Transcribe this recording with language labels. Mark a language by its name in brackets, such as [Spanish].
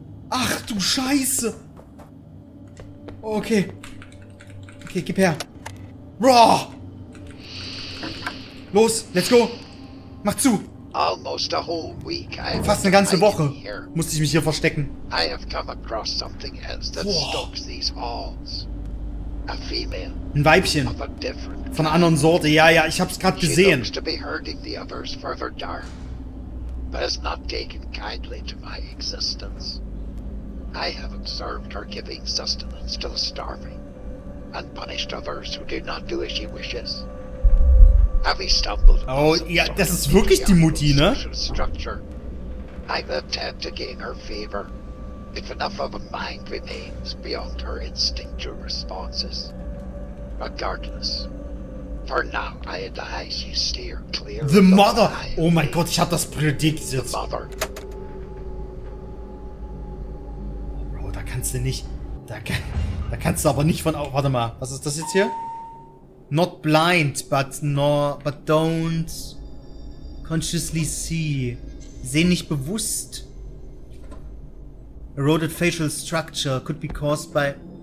[German] Ach du Scheiße! Okay. Okay, gib her. Raw! Los, [English] let's go! [German] Mach zu! [English] Almost a whole week. [German] Fast eine ganze Woche musste ich mich hier verstecken. [English] I have come across something else that stalks these halls. A female. [German] Ein Weibchen. [English] Of a different [German] von einer anderen Sorte. Ja, ich hab's gerade gesehen. [English] She looks to be hurting the others further down, but has not taken kindly to my existence. I have observed her giving sustenance to the starving and punished others who do not do as she wishes. [German] Oh, ja, das ist wirklich die Mutti, ne? [English] I've attempted to gain her favor. If enough of a mind remains beyond her instinctual responses. Regardless, for now I advise you steer clear. The mother! [German] Oh mein Gott, ich hab das prädiktiert. [English] The mother. [German] Bro, da kannst du nicht. Da kannst du aber nicht von. Oh, warte mal, was ist das jetzt hier? [English] Not blind, but don't consciously see. [German] Sehen nicht bewusst. [English] Eroded facial structure could be caused by.